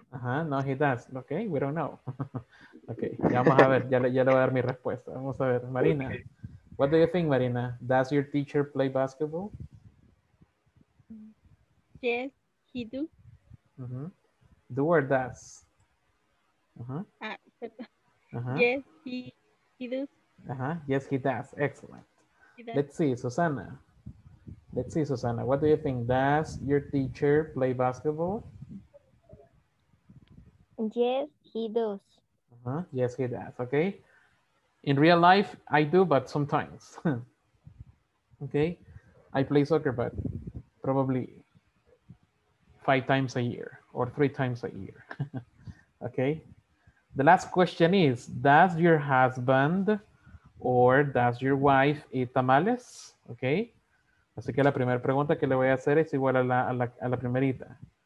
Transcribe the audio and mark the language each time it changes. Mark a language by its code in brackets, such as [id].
[en] Uh-huh. No, he does. Okay, we don't know. [es] Okay, ya vamos a ver, ya le voy a dar mi respuesta. Vamos a ver, Marina. [en] Okay. What do you think, Marina? Does your teacher play basketball? Yes, he do. Do or does? Yes, he does. Yes, he does. Excellent. He does. Let's see, Susana. Let's see, Susana. What do you think? Does your teacher play basketball? Yes, he does. Yes, he does. Okay. In real life, I do, but sometimes. Okay. I play soccer, but probably 5 times a year or 3 times a year. Okay. The last question is, does your husband or does your wife eat tamales? Okay. [es] Así que la primera pregunta que le voy a hacer es igual a la primerita.